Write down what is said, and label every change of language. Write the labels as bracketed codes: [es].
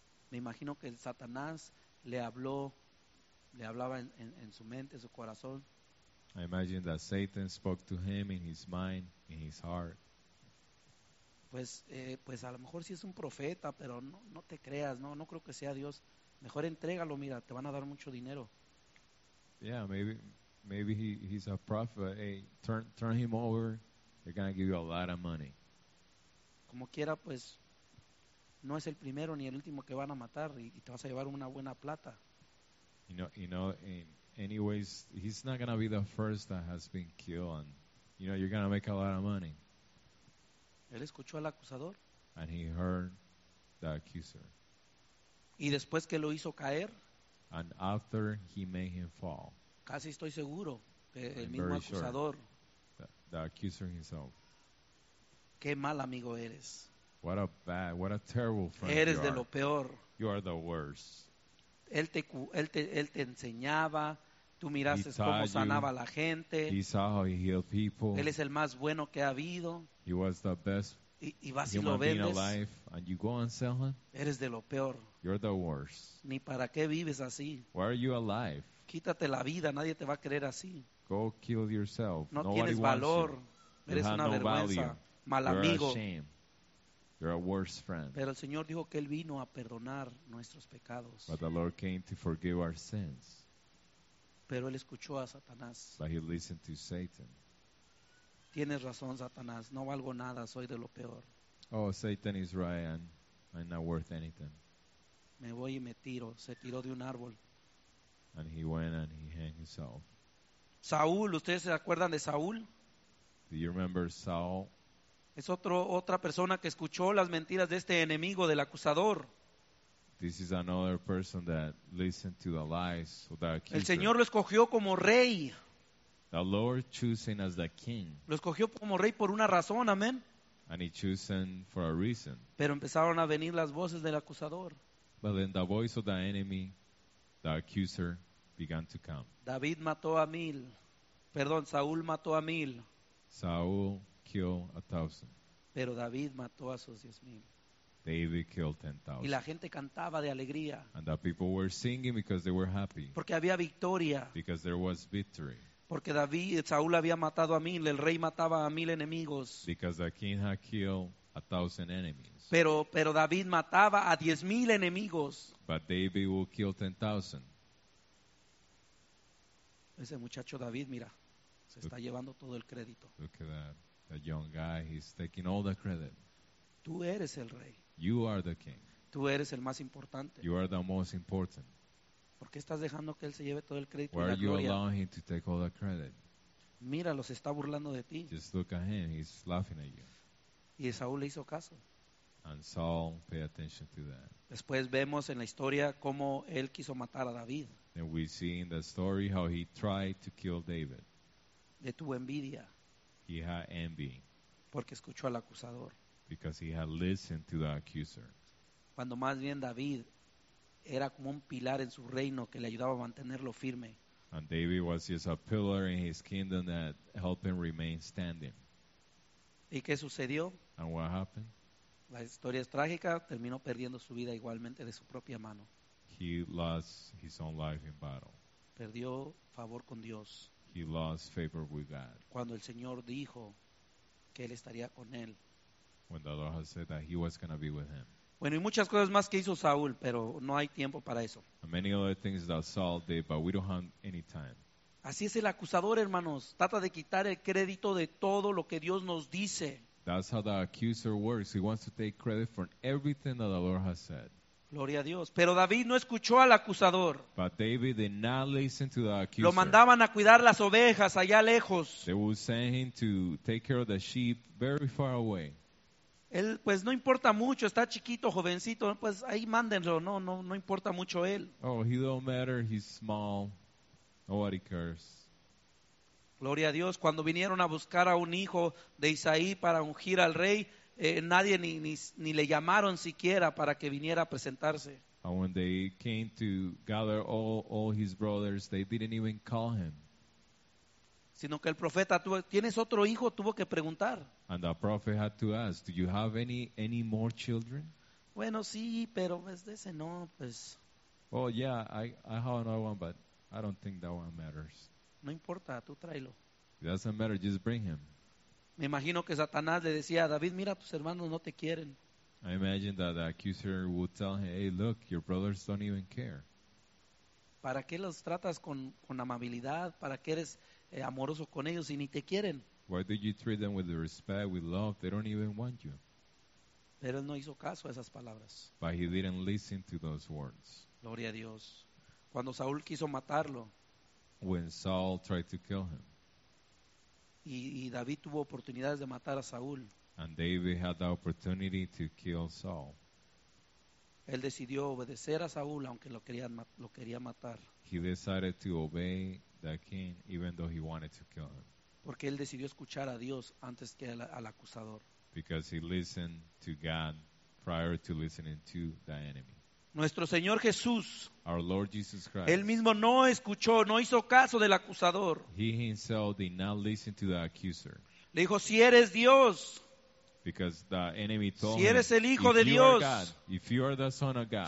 [es] Me imagino que Satanás le hablaba en su mente, en su corazón. [en] I imagine that Satan spoke to him in his mind, in his heart. [es] Pues a lo mejor sí es un profeta, pero no te creas, no creo que sea Dios. Mejor entrégalo, mira, te van a dar mucho dinero. [en] Yeah, maybe he's a prophet. Hey, turn him over. They're going to give you a lot of money. [es] Como quiera, pues, no es el primero ni el último que van a matar y te vas a llevar una buena plata. [en] You know, anyways, he's not going to be the first that has been killed. And, you know, you're going to make a lot of money. [es] Él escuchó al acusador. [en] And he heard the accuser. [es] Y después que lo hizo caer. [en] And after he made him fall. [es] Casi estoy seguro que el mismo acusador. [en] Sure. The accuser himself. [es] Qué mal amigo eres. [en] What a terrible friend. [es] Eres [en] you are. [es] De lo peor. [en] You are the worst. [es] Él te enseñaba. Tú miraste cómo sanaba a la gente. [en] He saw how he healed people. [es] Él es el más bueno que ha habido. [en] He was the best [es] y vas y lo vendes, [en] alive, and you go and sell him, [es] eres de lo peor. [en] You're the worst. [es] Ni para qué vives así. [en] Why are you alive? [es] Quítate la vida, nadie te va a querer así. [en] Go kill yourself. [es] No [en] Nobody [es] tienes valor. [en] You. [es] Eres [en] you [es] una [en] no [es] vergüenza. [en] Value. [es] Mal [en] You're [es] amigo. [en] You're a worse friend. [es] Pero el Señor dijo que Él vino a perdonar nuestros pecados. [en] But the Lord came to forgive our sins. [es] Pero Él escuchó a Satanás. [en] But he listened to Satan. [es] Tienes razón, Satanás. No valgo nada. Soy de lo peor. [en] Oh, Satan is right. I'm not worth anything. [es] Me voy y me tiro. Se tiró de un árbol. [en] And he went and he hanged himself. [es] Saúl, ¿ustedes se acuerdan de Saúl? [en] Do you remember Saul? [es] Es otra persona que escuchó las mentiras de este enemigo, del acusador. [en] This is another person that listened to the lies of the accuser. [es] El Señor lo escogió como rey. [en] The Lord chose him as the king. [es] Lo escogió como rey por una razón, amén. [en] And he chose him for a reason. [es] Pero empezaron a venir las voces del acusador. [en] But then the voice of the enemy, the accuser, began to come. [es] David mató a mil. Perdón, Saúl mató a mil. [en] Saúl killed 1,000. [es] Pero David mató a sus 10,000. [en] David killed 10,000. [es] Y la gente cantaba de alegría. [en] And the people were singing because they were happy. [es] Porque había victoria. [en] Because there was victory. [es] Porque David, Saúl había matado a mil, el rey mataba a mil enemigos. [en] Because the king had killed 1,000 enemies. [es] Pero David mataba a 10,000 enemigos. [en] But David will kill 10,000. [es] Ese muchacho David, mira, se está llevando todo el crédito. [en] Look at that. That young guy, he's taking all the credit. [es] Tú eres el rey. [en] You are the king. [es] Tú eres el más importante. [en] You are the most important. [es] ¿Por qué estás dejando que él se lleve todo el crédito [en] Why [es] y la gloria? [en] Why are you allowing him to take all the credit? [es] Mira, los está burlando de ti. [en] Just look at him, he's laughing at you. [es] Y Saúl le hizo caso. [en] And Saul paid attention to that. [es] Después vemos en la historia cómo él quiso matar a David. [en] And we see in the story how he tried to kill David. [es] De tu envidia. [en] He had envy. [es] Porque escuchó al acusador. [en] Because he had listened to the accuser. [es] Cuando más bien David era como un pilar en su reino que le ayudaba a mantenerlo firme. [en] And David was just a pillar in his kingdom that helped him remain standing. [es] ¿Y qué sucedió? [en] And what happened? [es] La historia es trágica, terminó perdiendo su vida igualmente de su propia mano. [en] He lost his own life in battle. [es] Perdió favor con Dios. [en] He lost favor with God. [es] Cuando el Señor dijo que él estaría con él. [en] When the Lord has said that he was going to be with him. [es] Bueno, y muchas cosas más que hizo Saúl, pero no hay tiempo para eso. [en] And many other things that Saul did, but we don't have any time. [es] Así es el acusador, hermanos. Trata de quitar el crédito de todo lo que Dios nos dice. [en] That's how the accuser works. He wants to take credit for everything that the Lord has said. [es] Gloria a Dios. Pero David no escuchó al acusador. [en] But David did not listen to the accuser. [es] Lo mandaban a cuidar las ovejas allá lejos. [en] They would send him to take care of the sheep very far away. [es] Él, pues no importa mucho, está chiquito, jovencito, pues ahí mándenlo, no importa mucho él. [en] Oh, he don't matter, he's small, nobody cares. [es] Gloria a Dios, cuando vinieron a buscar a un hijo de Isaí para ungir al rey, nadie ni le llamaron siquiera para que viniera a presentarse. [en] And when they came to gather all his brothers, they didn't even call him. [es] Sino que el profeta tuvo, ¿tienes otro hijo? Tuvo que preguntar. [en] And the prophet had to ask, do you have any more children? [es] Bueno, sí, pero es de ese no, pues. [en] Oh, yeah, I have another one, but I don't think that one matters. [es] No importa, tú tráelo. [en] It doesn't matter, just bring him. [es] Me imagino que Satanás le decía a David, mira, tus hermanos no te quieren. [en] I imagine that the accuser would tell him, hey, look, your brothers don't even care. [es] ¿Para qué los tratas con amabilidad? ¿Para qué eres amoroso con ellos y ni te quieren? [en] Why do you treat them with respect, with love? They don't even want you. [es] Pero él no hizo caso a esas palabras. [en] But he didn't listen to those words. [es] Gloria a Dios. Cuando Saúl quiso matarlo. [en] When Saul tried to kill him. [es] Y David tuvo oportunidades de matar a Saúl. [en] And David had the opportunity to kill Saul. [es] Él decidió obedecer a Saúl aunque lo quería matar. [en] He decided to obey the king even though he wanted to kill him. [es] Porque él decidió escuchar a Dios antes que al acusador. [en] Because he listened to God prior to listening to the enemy. [es] Nuestro Señor Jesús. [en] Our Lord Jesus Christ. [es] Él mismo no escuchó, no hizo caso del acusador. [en] He himself did not listen to the accuser. [es] Le dijo, si eres Dios. [en] Because the enemy told [es] si eres el hijo [en] him, [es] de Dios, [en] God, if you are the son of God,